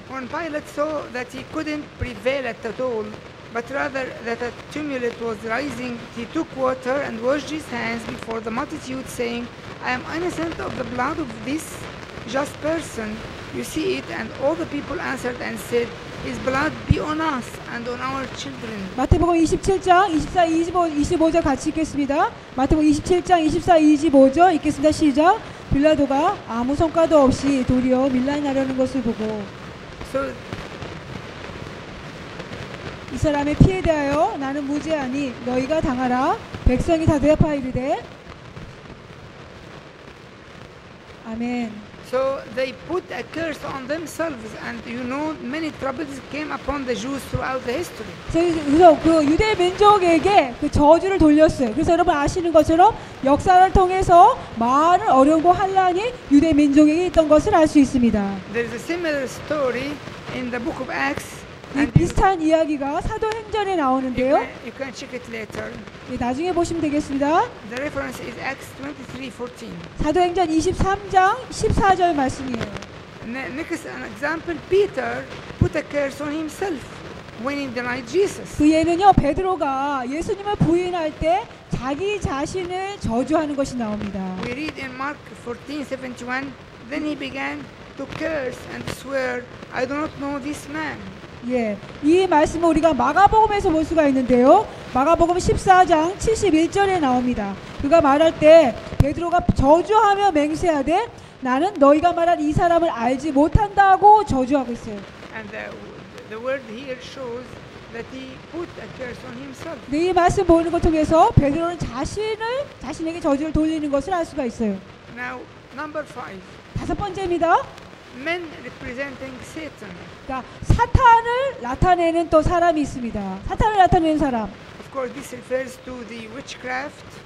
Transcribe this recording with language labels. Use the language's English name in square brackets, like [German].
[English] When Pilate saw that he couldn't prevail at all, but rather that a tumult was rising, he took water and washed his hands before the multitude, saying, "I am innocent of the blood of this just person. You see it." And all the people answered and said, "His blood be on us and on our children." [Korean] 마태복음 27장 24, 25, 25절 같이 읽겠습니다. 마태복음 27장 24, 25절 읽겠습니다. 시작. 빌라도가 아무 성과도 없이 도리어 밀란하려는 것을 보고 [English] So, [Korean] 이 사람의 피에 대하여 나는 무죄하니 너희가 당하라. 백성이 다 대답하여 이르되 아멘. [English] So they put a curse on themselves, and you know many troubles came upon the Jews throughout the history. [Korean] 그래서 그 유대 민족에게 그 저주를 돌렸어요. 그래서 여러분 아시는 것처럼 역사를 통해서 많은 어려움과 환란이 유대 민족에게 있던 것을 알 수 있습니다. [English] There is a similar story in the book of Acts. [Korean] 이 비슷한 이야기가 사도행전에 나오는데요. [English] You can check it later. [Korean] 네, 나중에 보시면 되겠습니다. [English] The reference is Acts 23:14. [Korean] 사도행전 23장 14절 말씀이에요. [English] Next example, Peter put a curse on himself when he denied Jesus. [Korean] 그 예는요, 베드로가 예수님을 부인할 때 자기 자신을 저주하는 것이 나옵니다. [English] We read in Mark 14:71. Then he began to curse and swear, "I do not know this man." [Korean] 예, 이 말씀은 우리가 마가복음에서 볼 수가 있는데요. 마가복음 14장 71절에 나옵니다. 그가 말할 때 베드로가 저주하며 맹세하되 나는 너희가 말한 이 사람을 알지 못한다고 저주하고 있어요. [English] And the word here shows that he put a curse on himself. [Korean] 네, 이 말씀 보는 것 통해서 베드로는 자신에게 저주를 돌리는 것을 알 수가 있어요. [English] Now, number five. [Korean] 다섯 번째입니다. [English] Men representing Satan. [Korean] 그러니까 사탄을 나타내는 또 사람이 있습니다. 사탄을 나타내는 사람. [English] Of course, this refers to the witchcraft.